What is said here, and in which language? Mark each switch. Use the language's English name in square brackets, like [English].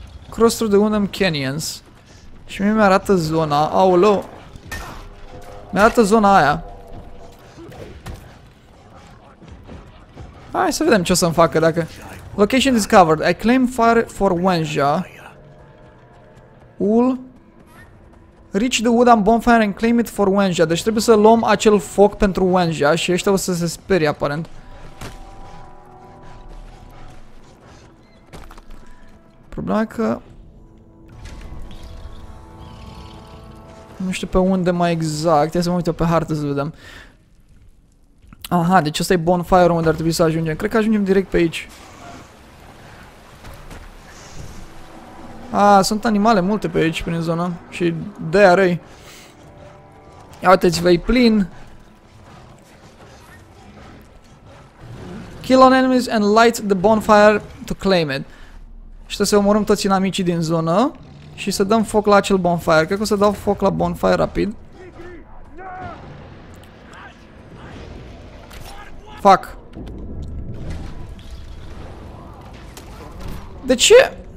[English] Cross through the Wundam Canyons. [Romanian] Și mie mi-arată zona, aoleu. Mi-arată zona aia. Hai să vedem ce o să-mi facă dacă... [English] Location discovered, I claim fire for Wenja. [Romanian] Ul. [English] Reach the wooden bonfire and claim it for Wenja. [Romanian] Deci trebuie să luăm acel foc pentru Wenja și ăștia o să se sperie aparent. Problema e că... nu știu pe unde mai exact. Ia să mă uit eu pe hartă să vedem. Aha, deci ăsta e bonfire unde ar trebui să ajungem. Cred că ajungem direct pe aici. Ah, sunt animale multe pe aici, prin zona. Și de-aia răi. Ia uite-ți, vei plin. [English] Kill on enemies and light the bonfire to claim it. [Romanian] Și să omorâm toți inamicii din zonă. Și să dăm foc la acel bonfire. Cred că o să dau foc la bonfire rapid. [English] Fuck. [Romanian] De ce?